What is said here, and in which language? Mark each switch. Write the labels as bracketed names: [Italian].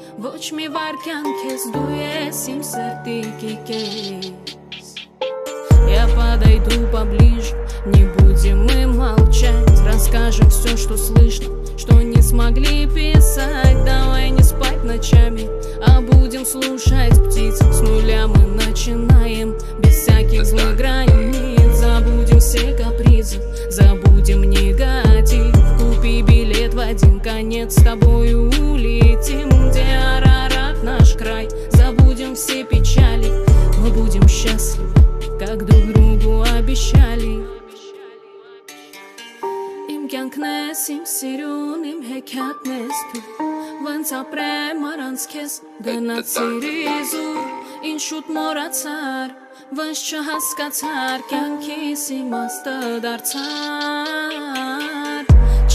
[Armenian] Ոչ մի վարկյան քեզ, դու ես իմ սրտի կիկես. [Russian] Я подойду поближе, не будем мы молчать. Расскажем все, что слышно, что не смогли писать. Давай не спать ночами, а будем слушать птиц. С нуля мы начинаем, без всяких злых границ. Забудем все капризы, забудем негатив. Купи билет в один конец, с тобой улетим. Где Арарат наш край, забудем все печали. Мы будем счастливы, как друг другу обещали. [Armenian] Կյանքնես իմ սիրուն, իմ հեքիաթնես դու, ոնց ապրեմ առանց քեզ, գնացիր իզուր, ինչ շուտ մոռացար, ոնց չհասկացար, կյանքիս իմաստը դարձար.